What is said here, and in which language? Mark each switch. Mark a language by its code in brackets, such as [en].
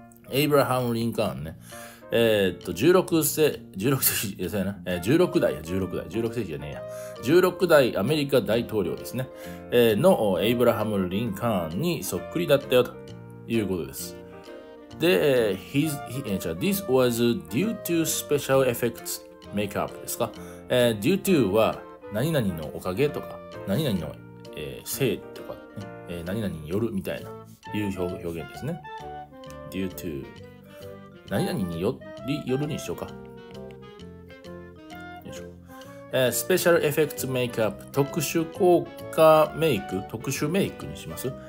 [ja] エイブラハム・リンカーンね。16代アメリカ大統領ですね。のエイブラハム・リンカーンにそっくりだったよということです。で、 [en] This was due to special effects makeup [ja] ですか。 Due to は何々のおかげとか、何々の、せいとか、ね、何々によるみたいないう表現ですね。 Due to 何々によりよるにしようか。よいしょ。Special effects makeup 特殊効果メイク、特殊メイクにします。